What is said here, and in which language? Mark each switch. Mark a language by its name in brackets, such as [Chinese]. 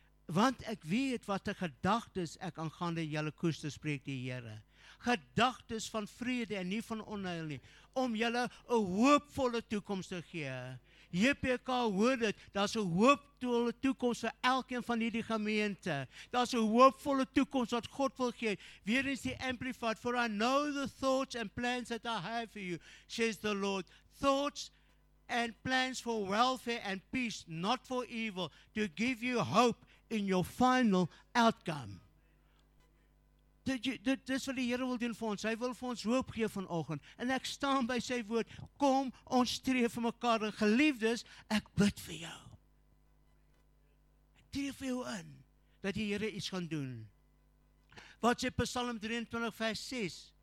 [Afrikaans] Want ek weet wat die gedagtes ek aangaande julle koester, spreek die Here. Gedagtes van vrede en nie van onheil nie, om julle 'n hoopvolle toekoms te gee. JPK hoor dit, daar's 'n hoopvolle toekoms vir elkeen van hierdie gemeente. Daar's 'n hoopvolle toekoms wat God wil gee. Weer eens die [English] Amplified, for I know the thoughts and plans that I have for you, says the Lord. Thoughts and plans for welfare and peace, not for evil, to give you hope in your final outcome. [Afrikaans] Dis wat die Here wil doen vir ons. Hy wil vir ons hoop gee vanoggend. En ek staan by sy woord. Kom, ons streef vir mekaar. En geliefdes, ek bid vir jou. Ek tree vir jou in. Dat die Here iets gaan doen. Wat sê Psalm 23 vers 6?